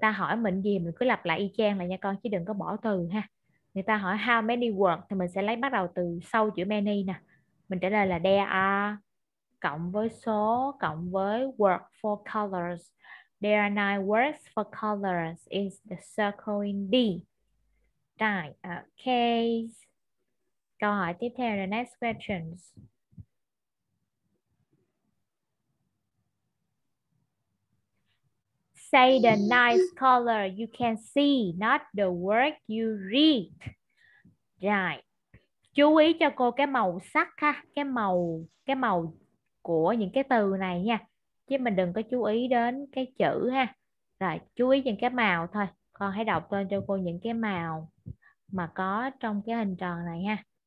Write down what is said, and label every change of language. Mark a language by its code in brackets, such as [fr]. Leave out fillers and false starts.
[vi] ta hỏi mình gì mình cứ lặp lại y chang lại nha con, chứ đừng có bỏ từ ha. Người ta hỏi [en] how many words [vi] thì mình sẽ lấy bắt đầu từ sau chữ many nè. Mình trả lời là there are cộng với số cộng với word for colors. [en] There are nine words for colors is the circle in D. Right, okay. [vi] Câu hỏi tiếp theo là [en] next questions. Say the nice color you can see, not the word you read. Right. [vi] Chú ý cho cô cái màu sắc ha, cái màu của những cái từ này nha. Chứ mình đừng có chú ý đến cái chữ ha. Rồi, chú ý những cái màu thôi. Con hãy đọc tên cho cô những cái màu mà có trong cái hình tròn này ha.